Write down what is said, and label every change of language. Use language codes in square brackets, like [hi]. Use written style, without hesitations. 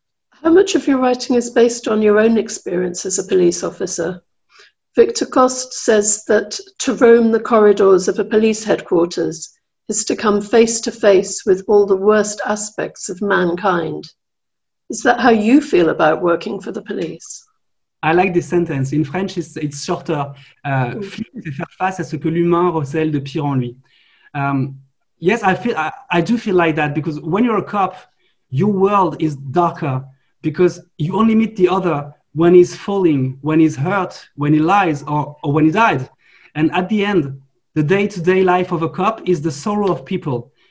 [en] How much of your writing is based on your own experience as a police officer? Victor Cost says that to roam the corridors of a police headquarters is to come face to face with all the worst aspects of mankind. Is that how you feel about working for the police? I like this sentence. In French, it's shorter. [fr] Flee, c'est faire face à ce que l'humain recèle de pire en lui. [en] Yes, I do feel like that, because when you're a cop, your world is darker because you only meet the other when he's falling, when he's hurt, when he lies, or when he died. And at the end, the day-to-day life of a cop is the sorrow of people.